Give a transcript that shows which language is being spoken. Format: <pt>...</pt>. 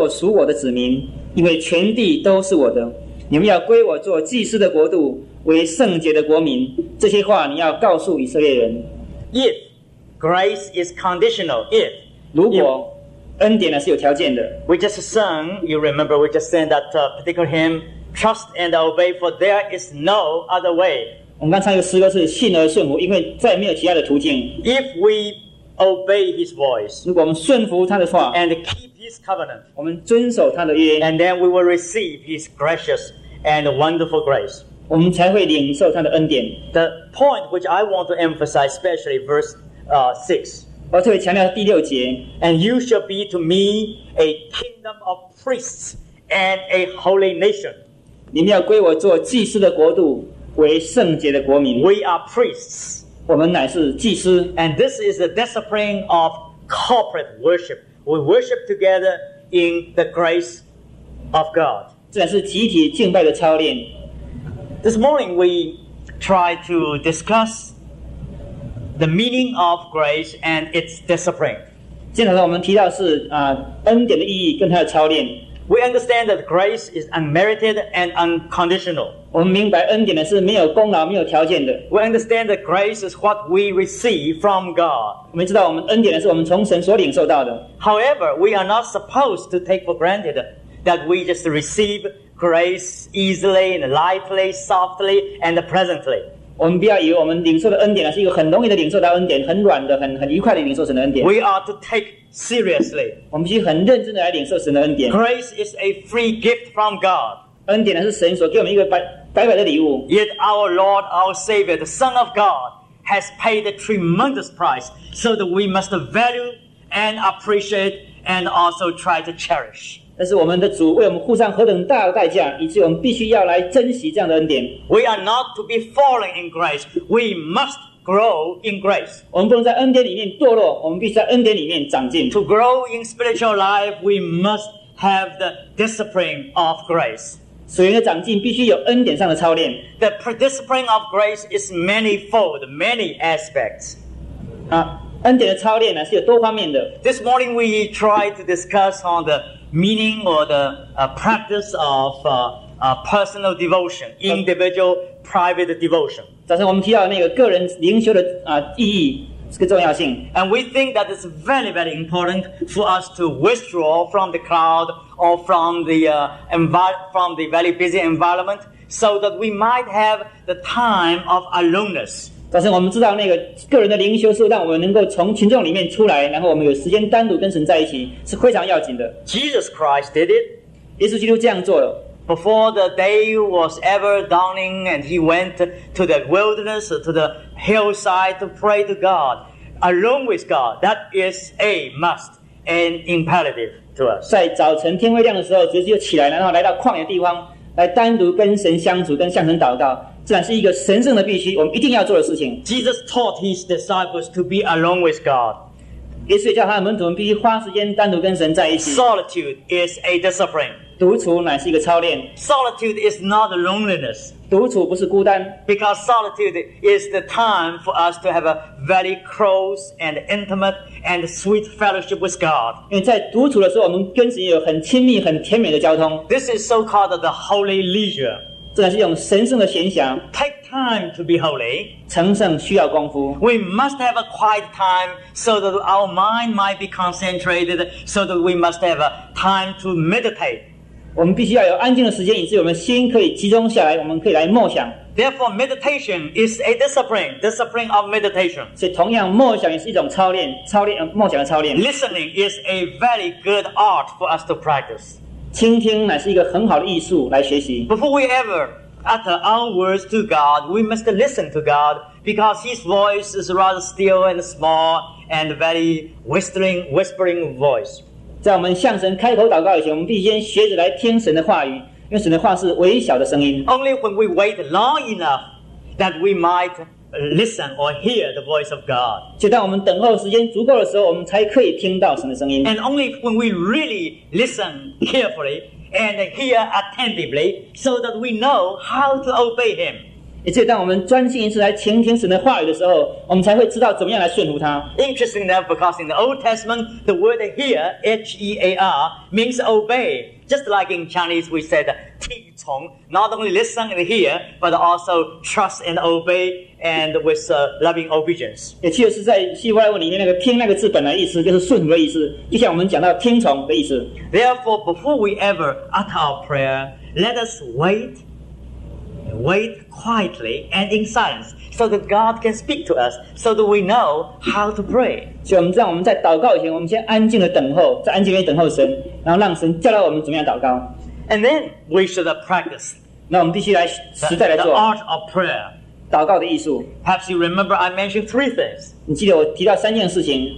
<zh>出埃及记十九章第五节。如今你们若实在听从我的话，遵守我的约，就要在万民中做属我的子民，因为全地都是我的。你们要归我做祭司的国度，为圣洁的国民。这些话你要告诉以色列人。</zh> <en>If grace is conditional, if</en> <zh>如果恩典呢是有条件的。</zh> <en>We just sang, you remember, we just sang that particular hymn, "Trust and obey, for there is no other way."</en> <zh>我们刚唱一个诗歌是信而顺服，因为再没有其他的途径。</zh> <en>If we obey His voice,</en> <zh>如果我们顺服他的话</zh> <en>，and keep His covenant,</en> <zh>我们遵守他的约。</zh> <en>And then we will receive His gracious and wonderful grace. The point which I want to emphasize, especially verse 6, and you shall be to me a kingdom of priests and a holy nation. We are priests. And this is the discipline of corporate worship. We worship together in the grace of God. This morning we try to discuss the meaning of grace and its discipline.</en> <zh>今天我们提到是恩典的意义跟它的操练。</zh> <en>We understand that grace is unmerited and unconditional.</en> <zh>我们明白恩典的是没有功劳、没有条件的。</zh> <en>We understand that grace is what we receive from God.</en> <zh>我们知道我们恩典的是我们从神所领受到的。</zh> <en>However, we are not supposed to take for granted that we just receive grace easily and lightly, softly and presently.</en> <zh>我们不要以为我们领受的恩典是一个很容易的领受到恩典，很软的，很愉快的领受神的恩典。</zh> <en>We are to take seriously.</en> <zh>我们必须很认真的来领受神的恩典。</zh> <en>Grace is a free gift from God.</en> <zh>恩典是神所给我们一个白白的礼物。</zh> <en>Yet our Lord, our Savior, the Son of God, has paid a tremendous price, so that we must value and appreciate and also try to cherish.</en> <zh>但是我们的主为我们付上何等大的代价，以致我们必须要来珍惜这样的恩典。</zh> <en>We are not to be fallen in grace. We must grow in grace.</en> <zh>我们不能在恩典里面堕落，我们必须在恩典里面长进。</zh> <en>To grow in spiritual life, we must have the discipline of grace.</en> <zh>属灵的长进必须有恩典上的操练。</zh> <en>The discipline of grace is manifold, many aspects.</en> <zh>恩典的操练是有多方面的。</zh> <en>This morning we tried to discuss on the meaning or the practice of personal devotion, individual private devotion.</en> <zh>早上我们提到那个个人灵修的意义，这个重要性。</zh> <en>And we think that it's very, very important for us to withdraw from the crowd or from the from the very busy environment, so that we might have the time of aloneness.</en> <zh>但是我们知道那个个人的灵修是让我们能够从群众里面出来，然后我们有时间单独跟神在一起，是非常要紧的。</zh> <en>Jesus Christ did it.</en> <zh>耶稣基督这样做了。</zh> <en>Before the day was ever dawning, and he went to the wilderness, to the hillside to pray to God, alone with God. That is a must and imperative to us.</en> <zh>在早晨天未亮的时候，耶稣就起来，然后来到旷野的地方，来单独跟神相处，跟向神祷告。自然是一个神圣的必须，我们一定要做的事情。</zh> <en>Jesus taught his disciples to be alone with God.</en> <zh>耶稣教他的门徒们必须花时间单独跟神在一起。</zh> <en>Solitude is a discipline.</en> <zh>独处乃是一个操练。</zh> <en>Solitude is not loneliness.</en> <zh>独处不是孤单。</zh> <en>Because solitude is the time for us to have a very close and intimate and sweet fellowship with God.</en> <zh>因为在独处的时候，我们跟神有很亲密、很甜美的交通。</zh> <en>This is so called the holy leisure.</en> <zh>这是一种神圣的闲暇。</zh> <en>Take time to be holy.</en> <zh>成圣需要功夫。</zh> <en>We must have a quiet time so that our mind might be concentrated, so that we must have a time to meditate.</en> <zh>我们必须要有安静的时间，以致我们心可以集中下来，我们可以来默想。</zh> <en>Therefore, meditation is a discipline, discipline of meditation.</en> <zh>所以同样，默想也是一种操练，操练默想的操练。</zh> <en>Listening is a very good art for us to practice.</en> <zh>倾听乃是一个很好的艺术来学习。</zh> <en>Before we ever utter our words to God, we must listen to God because His voice is rather still and small and very whispering voice.</en> <zh>在我们向神开口祷告以前，我们必须先学着来听神的话语，因为神的话是微小的声音。</zh> <en>Only when we wait long enough that we might listen or hear the voice of God.</en> <zh>就当我们等候时间足够的时候，我们才可以听到神的声音。</zh> <en>And only when we really listen carefully and hear attentively, so that we know how to obey Him.</en> <zh>也就当我们专心一致来倾听神的话语的时候，我们才会知道怎么样来顺服他。</zh> <en>Interesting enough, because in the Old Testament, the word hear, H-E-A-R, means obey. Just like in Chinese, we said. Not only listen and hear, but also trust and obey, and with loving obedience.</en> <zh>也确实在希伯来文里面，那个听那个字本来意思就是顺服的意思，就像我们讲到听从的意思。</zh> <en>Therefore, before we ever utter our prayer, let us wait, wait quietly and in silence, so that God can speak to us, so that we know how to pray.</en> <zh>所以我们知道我们在祷告以前，我们先安静的等候，在安静里等候神，然后让神教导我们怎么样祷告。</zh> <en>And then we should practice.</en> <zh>那我们必须来实在来做。</zh> <en>The art of prayer.</en> <zh>祷告的艺术。</zh> <en>Perhaps you remember I mentioned three things.</en> <zh>你记得我提到三件事情。</zh>